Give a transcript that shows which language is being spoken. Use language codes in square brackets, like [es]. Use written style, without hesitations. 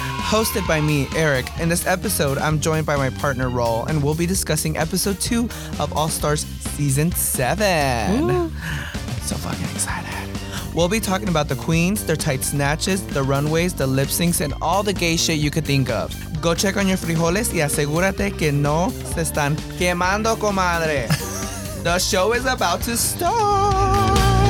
[en] Hosted by me, Erick. In this episode, I'm joined by my partner, Raúl, and we'll be discussing episode 2 of All Stars Season 7. Ooh. So fucking excited. We'll be talking about the queens, their tight snatches, the runways, the lip syncs, and all the gay shit you could think of. Go check on your [es] frijoles y asegúrate que no se están quemando, comadre. [en] The show is about to start.